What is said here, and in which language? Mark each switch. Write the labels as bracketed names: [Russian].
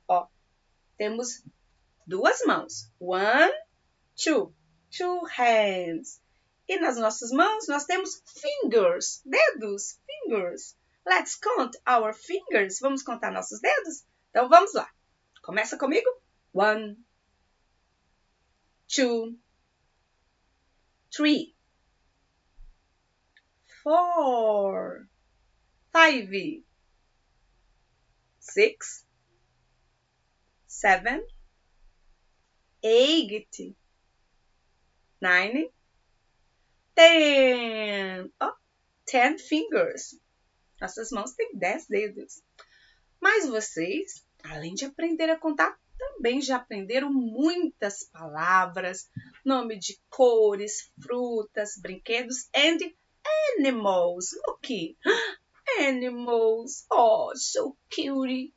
[Portuguese] Ó, temos duas mãos. [English] One, two, two hands. [Portuguese] E nas nossas mãos nós temos fingers, dedos, fingers. [English] Let's count our fingers. [Portuguese] Vamos contar nossos dedos? Então vamos lá. Começa comigo. [English] One, two, three, four, five, six, seven, eight, nine, ten. Oh, ten fingers. [Portuguese] Nossas mãos têm 10 dedos. Mas vocês, além de aprender a contar, também já aprenderam muitas palavras, nome de cores, frutas, brinquedos [English] and animals. Okay. Animals. Oh, so cute.